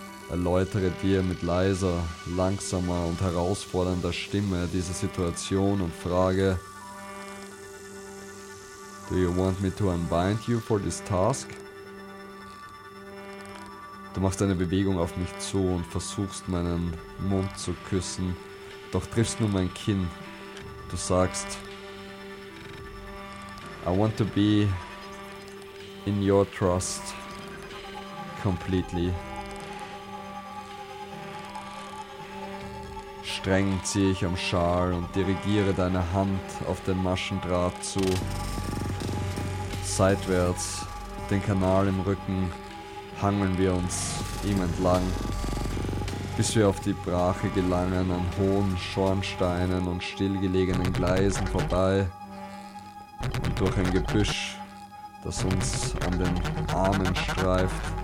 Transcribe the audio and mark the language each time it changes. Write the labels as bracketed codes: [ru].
[de] Erläutere dir mit leiser, langsamer und herausfordernder Stimme diese Situation und frage: [en] Do you want me to unbind you for this task? [de] Du machst eine Bewegung auf mich zu und versuchst meinen Mund zu küssen, doch triffst nur mein Kinn. Du sagst: [en] I want to be in your trust completely. [de] Streng ziehe ich am Schal und dirigiere deine Hand auf den Maschendraht zu. Seitwärts, den Kanal im Rücken, hangeln wir uns ihm entlang, bis wir auf die Brache gelangen, an hohen Schornsteinen und stillgelegenen Gleisen vorbei und durch ein Gebüsch, das uns an den Armen streift.